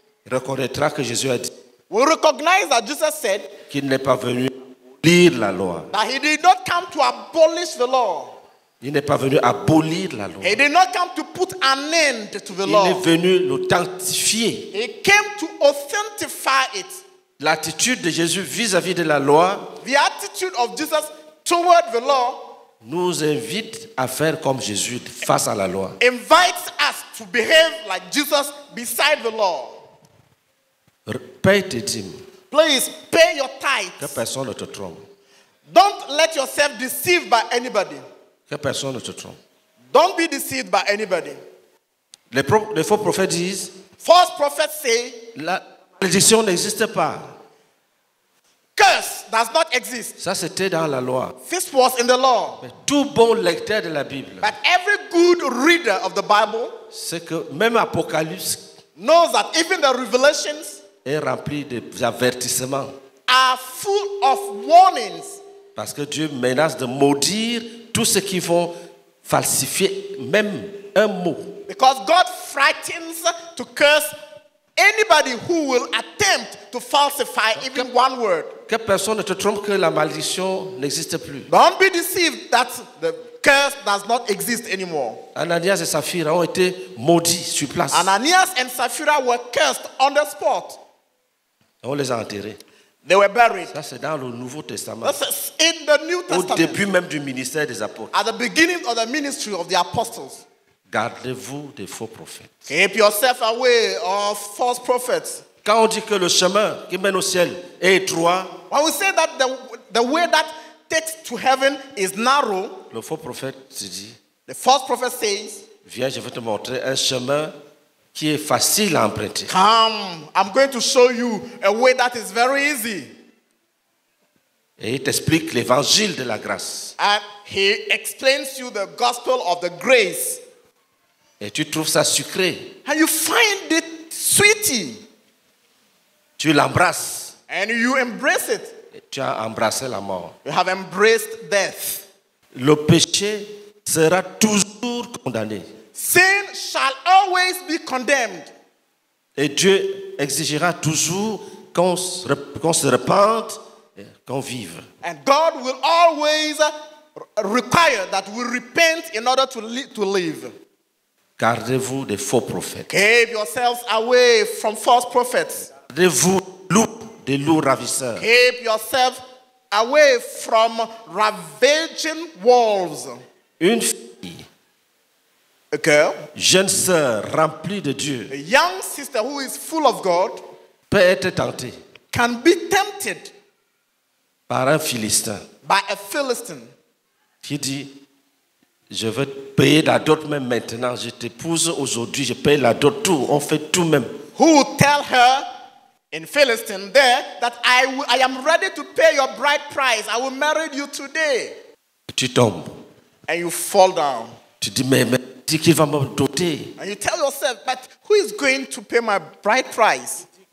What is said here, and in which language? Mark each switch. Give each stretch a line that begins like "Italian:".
French: reconnaîtra que Jésus a dit
English: will recognize that Jesus said
French: qu'il n'est pas venu abolir la loi.
English: That he did not come to abolish the law.
French: Il n'est pas venu abolir la loi.
English: He did not come to put an end to the
French: il
English: law.
French: Il est venu l'authentifier.
English: He came to authentify it.
French: L'attitude de Jésus vis-à-vis de la loi
English: the attitude of Jesus toward the law
French: nous invite à faire comme Jésus face à la loi.
English: Invites us to behave like Jesus beside the law.
French: Paye tes dîmes.
English: Please pay your tithes.
French: Que personne ne te trompe.
English: Don't let yourself deceive by anybody.
French: Que personne ne te trompe.
English: Don't be deceived by anybody.
French: Les faux prophètes disent
English: false prophets say
French: la malédiction n'existe pas.
English: Curse does not exist.
French: Ça c'était dans la loi.
English: This was in the law.
French: Mais tout bon lecteur de la Bible
English: but every good reader of the Bible
French: c'est que même Apocalypse
English: knows that even the revelations
French: est rempli d'avertissements
English: are full of warnings
French: parce que Dieu menace de maudire tous ceux qui vont falsifier même un mot.
English: Because God frightens to curse anybody who will attempt to falsify donc, even que, one word.
French: Que personne ne te trompe que la malédiction n'existe plus.
English: Don't be deceived that the curse does not exist anymore.
French: Ananias et Sapphira ont été maudits sur place.
English: Ananias and Sapphira were cursed on the spot.
French: On les a enterrés.
English: They were buried.
French: Ça c'est dans le Nouveau Testament.
English: That's in the New Testament.
French: Au début même du ministère des apôtres.
English: At the beginning of the ministry of the apostles.
French: Gardez-vous des faux prophètes.
English: Keep yourself away of false prophets.
French: Quand on dit que le chemin qui mène au ciel est étroit.
English: When we say that the way that takes to heaven is narrow.
French: Le faux prophète se dit.
English: The false prophet says.
French: Viens, je vais te montrer un chemin qui est facile à emprunter.
English: Come, I'm going to show you a way that is very easy.
French: Et il t'explique l'évangile de la grâce.
English: And he explains you the gospel of the grace.
French: Et tu trouves ça sucré.
English: And you find it sweetie.
French: Tu l'embrasses.
English: And you embrace it.
French: Et tu as embrassé la mort.
English: You have embraced death.
French: Le péché sera toujours condamné.
English: Sin shall always be condemned.
French: Et Dieu exigera toujours qu'on se repente et qu'on vive.
English: And God will always require that we repent in order to live.
French: Gardez-vous des faux prophètes.
English: Keep yourselves away from false prophets.
French: Gardez-vous des loups ravisseurs.
English: Keep yourself away from ravaging wolves.
French: Une fille.
English: A girl.
French: Jeune sœur remplie de Dieu.
English: A young sister who is full of God.
French: Peut être tentée.
English: Can be tempted.
French: Par un philistin.
English: By a philistine.
French: Qui dit. Je veux payer la dot même maintenant. Je t'épouse aujourd'hui. Je paye la dot tout. On fait tout même.
English: Who tell her in Philistine there that I am ready to pay your bride price. I will marry you today.
French: Tu tombes.
English: And you fall down.
French: Tu dis mais dis qu'il va me doter.
English: And you tell yourself, but who is going to pay my bride price?